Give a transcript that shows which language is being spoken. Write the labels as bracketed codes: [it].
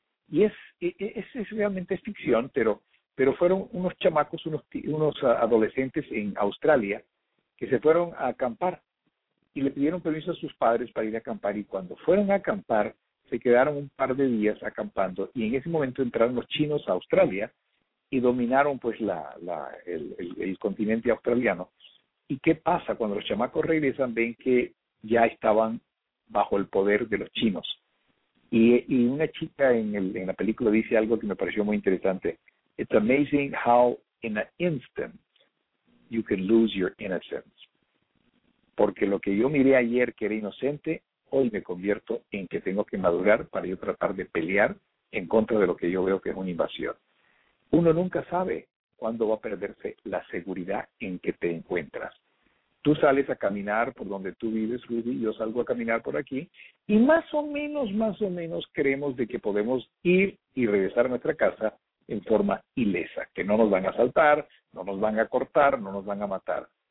[es] Y es realmente es ficción, pero fueron unos chamacos, unos adolescentes en Australia que se fueron a acampar y le pidieron permiso a sus padres para ir a acampar. Y cuando fueron a acampar, se quedaron un par de días acampando y en ese momento entraron los chinos a Australia y dominaron pues el continente australiano. ¿Y qué pasa? Cuando los chamacos regresan, ven que ya estaban bajo el poder de los chinos. Y una chica en la película dice algo que me pareció muy interesante. [en] It's amazing how in an instant you can lose your innocence. [es] Porque lo que yo miré ayer que era inocente, hoy me convierto en que tengo que madurar para yo tratar de pelear en contra de lo que yo veo que es una invasión. Uno nunca sabe cuándo va a perderse la seguridad en que te encuentras. Tú sales a caminar por donde tú vives, Rudy, yo salgo a caminar por aquí, y más o menos creemos de que podemos ir y regresar a nuestra casa en forma ilesa, que no nos van a asaltar, no nos van a cortar, no nos van a matar.